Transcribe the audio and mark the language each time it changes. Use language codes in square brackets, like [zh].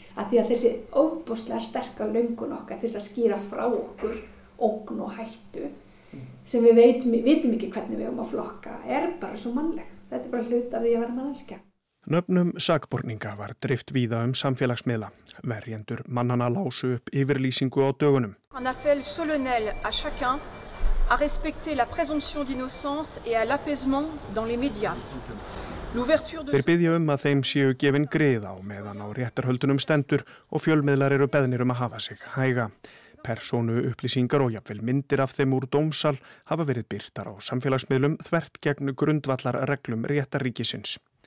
[is] Að því að þessi ofbóðslega sterka löngun okkar til þess að skýra frá okkur ógn og hættu sem við vitum ekki hvernig við erum að flokka er bara svo mannleg. Þetta er bara hlut af því að vera manneskja. Nöfnum sakborninga var dreift víða samfélagsmiðla. Verjendur mannana lásu upp yfirlýsingu á dögunum. [fr] Un appel solennel à chacun à respecter la présomption d'innocence et à l'apaisement dans les médias. [is] Þeir byggja að þeim séu gefin griða og meðan á réttarhöldunum stendur og fjölmiðlar eru beðnir að hafa sig hæga. Persónu upplýsingar og jafnvel myndir af þeim úr dómsal hafa verið byrtar á samfélagsmiðlum þvert gegn grundvallar reglum réttarríkisins.